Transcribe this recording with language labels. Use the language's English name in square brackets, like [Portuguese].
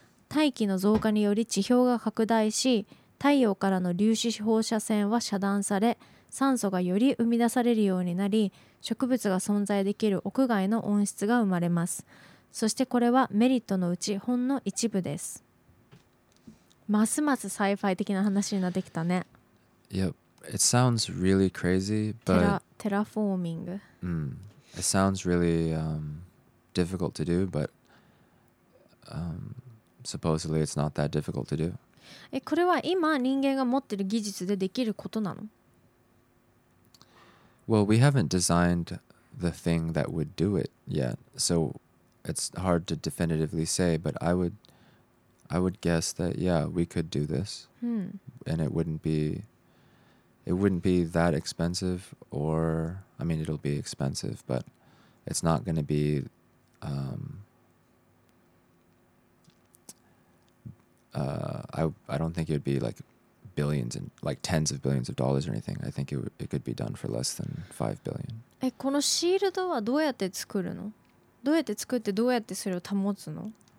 [Japanese] 大気の増加により地表が拡大し、太陽からの粒子放射線は遮断され、酸素がより生み出されるようになり、植物が存在できる屋外の温室が生まれます。そしてこれはメリットのうちほんの一部です。ますますサイファイ的な話になってきたね。 [English] Yep, it sounds really crazy, but Terraforming、 It sounds really difficult to do, but supposedly it's not that difficult to do. [Japanese] これは今人間が持ってる技術でできることなの？ [English] Well, we haven't designed the thing that would do it yet, so it's hard to definitively say, but I would guess that, yeah, we could do this. And it wouldn't be that expensive, or, I mean, it'll be expensive, but it's not going to be I don't think it would be like billions and like tens of billions of dollars or anything. I think it could be done for less than $5 billion. [Japanese] このシールドはどうやって作るの？どうやって作ってどうやってそれを保つの？